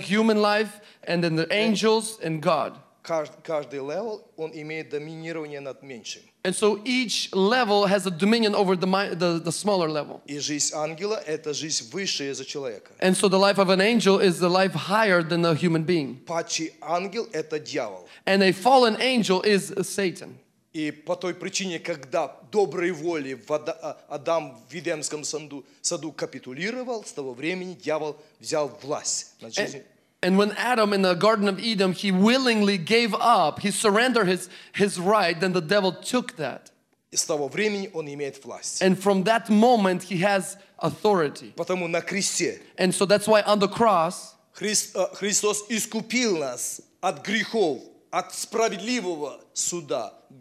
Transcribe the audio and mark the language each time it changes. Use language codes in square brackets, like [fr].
[en] Human life, and then the angels and God. [ru] каждый level он имеет доминирование над меньшим. [en] And so each level has a dominion over the smaller level. [ru] И жизнь ангела это жизнь высшая за человека. [en] And so the life of an angel is the life higher than a human being. [ru] Падший ангел это дьявол. [en] And a fallen angel is Satan. [ru] И по той причине, когда доброй воли Адам в Едемском саду капитулировал, с того времени дьявол взял власть над жизнью. [en] And when Adam in the Garden of Eden, he willingly gave up, he surrendered his right, then the devil took that. [ru] И с того времени он имеет власть. [en] And from that moment he has authority. [ru] Потому на кресте. [en] And so that's why on the cross, [ru] Христос искупил нас от грехов, от справедливого суда.